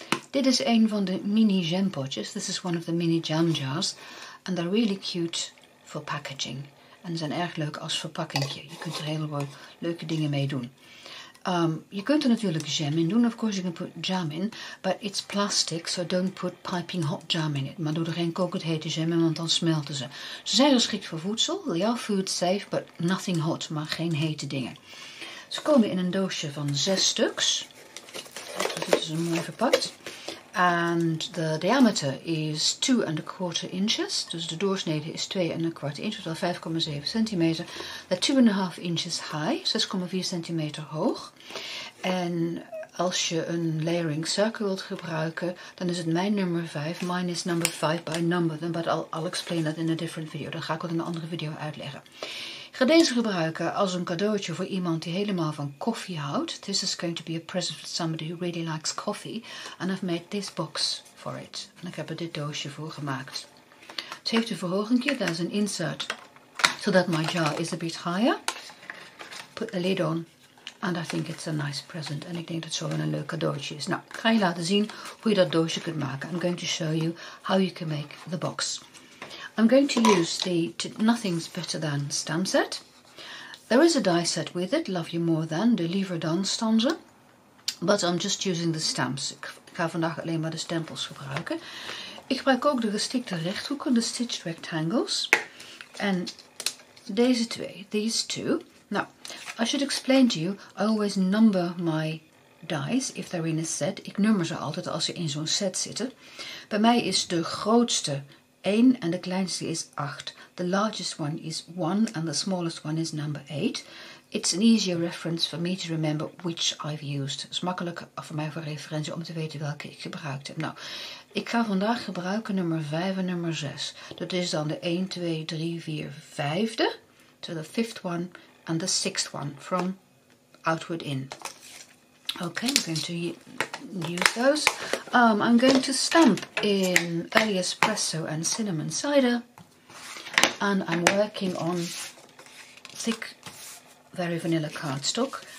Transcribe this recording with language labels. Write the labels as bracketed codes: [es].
[nl] Dit is een van de mini jam potjes. [en] This is one of the mini jam jars. And they're really cute for packaging. [nl] En zijn erg leuk als verpakkingje. Je kunt er heleboel leuke dingen mee doen. Je kunt er natuurlijk jam in doen. [en] Of course you can put jam in. But it's plastic, so don't put piping hot jam in it. [nl] Maar doe er geen kokend hete jam in, want dan smelten ze. Ze zijn geschikt voor voedsel. [en] They are food safe, but nothing hot. [nl] Maar geen hete dingen. Ze komen in een doosje van 6 stuks. Dat is dus mooi verpakt. [en] And the diameter is 2.25 inches. [nl] Dus de doorsnede is 2.25 inch. Dat is 5,7 centimeter. [en] They're 2.5 inches high. [nl] 6,4 centimeter hoog. En als je een layering circle wilt gebruiken, dan is het mijn nummer 5. [en] Mine is number 5 by number. But I'll explain that in a different video. [nl] Dan ga ik het in een andere video uitleggen. Ik ga deze gebruiken als een cadeautje voor iemand die helemaal van koffie houdt. [en] This is going to be a present for somebody who really likes coffee. And I've made this box for it. [nl] En ik heb er dit doosje voor gemaakt. Het heeft een verhoging. [en] There's an insert so that my jar is a bit higher. Put the lid on. And I think it's a nice present. [nl] En ik denk dat het zo wel een leuk cadeautje is. Nou, ik ga je laten zien hoe je dat doosje kunt maken. [en] I'm going to show you how you can make the box. I'm going to use the Nothing's Better Than stamp set. There is a die set with it, Love You More Than, de Liever Dan stanzen. But I'm just using the stamps. [nl] Ik ga vandaag alleen maar de stempels gebruiken. Ik gebruik ook de gestikte rechthoeken, de stitched rectangles. En deze twee, [en] these two. Now, I should explain to you, I always number my dies if they're in a set. [nl] Ik nummer ze altijd als ze in zo'n set zitten. Bij mij is de grootste 1 en de kleinste is 8. [en] The largest one is 1 and the smallest one is number 8. It's an easier reference for me to remember which I've used. [nl] Het is makkelijker voor mij voor referentie om te weten welke ik gebruikt heb. Nou, ik ga vandaag gebruiken nummer 5 en nummer 6. Dat is dan de 1, 2, 3, 4, 5e. [en] To the 5th one and the 6th one from outward in. Okay, I'm going to use those. I'm going to stamp in early espresso and cinnamon cider. And I'm working on thick, very vanilla cardstock.